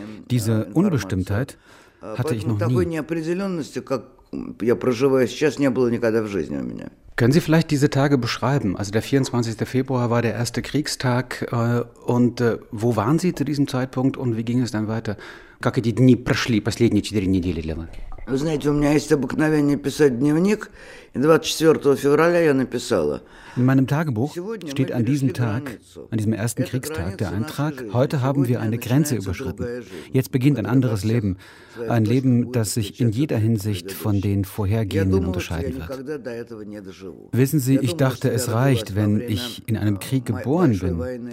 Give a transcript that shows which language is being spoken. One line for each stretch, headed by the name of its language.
German: Diese Unbestimmtheit hatte ich noch nie. Können Sie vielleicht diese Tage beschreiben? Also der 24. Februar war der erste Kriegstag. Und wo waren Sie zu diesem Zeitpunkt und wie ging es dann weiter?
Russian: Как эти дни прошли, последние 4 недели для вас? Вы знаете, у меня есть обыкновение писать дневник, и 24 февраля я написала.
German: In meinem Tagebuch steht an diesem Tag, an diesem ersten Kriegstag, der Eintrag: Heute haben wir eine Grenze überschritten. Jetzt beginnt ein anderes Leben, ein Leben, das sich in jeder Hinsicht von den vorhergehenden unterscheiden wird. Wissen Sie, ich dachte, es reicht, wenn ich in einem Krieg geboren bin.